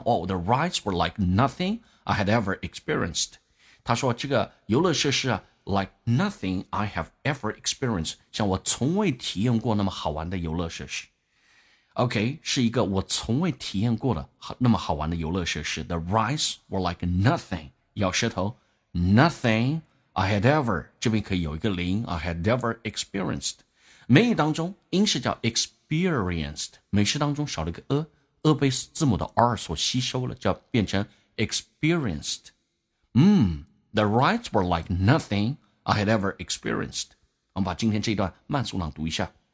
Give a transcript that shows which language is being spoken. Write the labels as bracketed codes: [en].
[en] Oh, the rides were like nothing I had ever experienced. [zh] 他说这个游乐设施啊 [en] like nothing I have ever experienced. [zh] 像我从未体验过那么好玩的游乐设施。 OK, 是一个我从未体验过的那么好玩的游乐设施。 [en] The rides were like nothing. [zh] 咬舌头 [en] nothing I had ever, [zh] 这边可以有一个零 [en] I had ever experienced. [zh] 美语当中英式叫 experienced, 美式当中少了一个 a,a 被字母的 r 所吸收了，叫变成 experienced。 [en] The rides were like nothing I had ever experienced。 [zh] 我们把今天这一段慢速朗读一下。